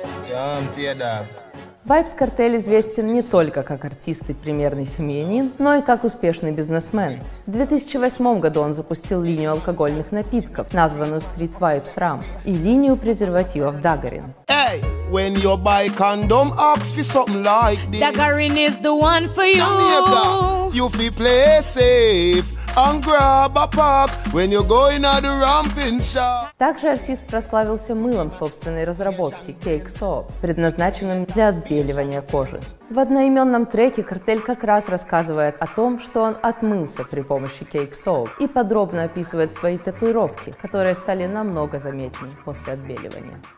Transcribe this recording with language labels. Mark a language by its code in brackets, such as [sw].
[ru] Я вам теда. Vibes Cartel известен не только как артист и примерный семьянин, но и как успешный бизнесмен. В 2008 году он запустил линию алкогольных напитков, названную Street Vibes Rum, и линию презервативов Daggerin. [en] When you buy condom, ask for something like this. Daggerin is the one for you. You feel play safe and grab a pack when you're going at the ramping shop. [ru] Также артист прославился мылом собственной разработки Cake Soap, предназначенным для отбеливания кожи. В одноименном треке Картель как раз рассказывает о том, что он отмылся при помощи Cake Soap, и подробно описывает свои татуировки, которые стали намного заметнее после отбеливания.